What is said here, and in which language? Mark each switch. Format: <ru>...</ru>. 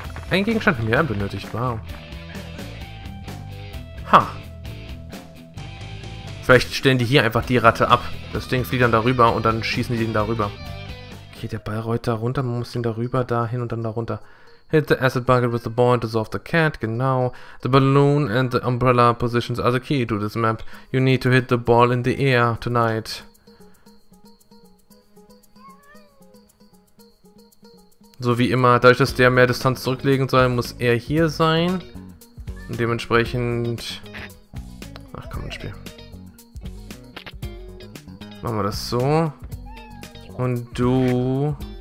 <de>Ein Gegenstand mehr benötigt, wow. Ha. Vielleicht stellen die hier einfach die Ratte ab. Das Ding fliegt dann darüber und dann schießen die den darüber. Okay, der Ball rollt da runter. Man muss den darüber, dahin und dann darunter.</de> <en>Hit the acid bucket with the ball and dissolve the cat. Genau. The balloon and the umbrella positions are the key to this map. You need to hit the ball in the air tonight.</en> <de>So wie immer, dadurch, dass der mehr Distanz zurücklegen soll, muss er hier sein. Und dementsprechend... Ach komm, ein Spiel. Machen wir das so. Und du...</de>